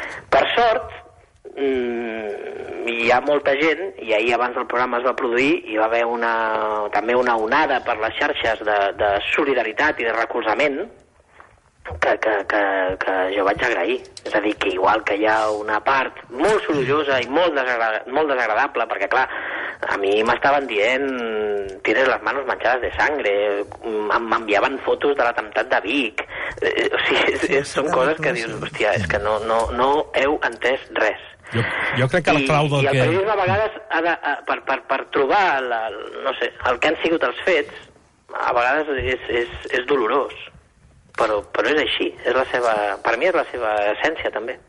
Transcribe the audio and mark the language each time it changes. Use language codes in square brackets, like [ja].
[ca] Per sort, hi ha molta gent, i ahir abans del programa es va produir, hi va haver també una onada per les xarxes de solidaritat i de recolzament, que jo vaig agrair. És a dir, que igual que hi ha una part molt sorollosa i molt desagradable, perquè clar, [es] A mí me estaban dient, tienes las manos manchadas de sangre, me enviaban fotos de la tamtat de Vic. [ca] O sigui, sí, són coses que dius, hòstia, és que no heu entès res. Jo crec que la clau del que... I el periodisme a vegades ha de, per trobar no sé, el que han sigut els fets, a vegades és dolorós. Però és així, és la seva, per mi és la seva essència també.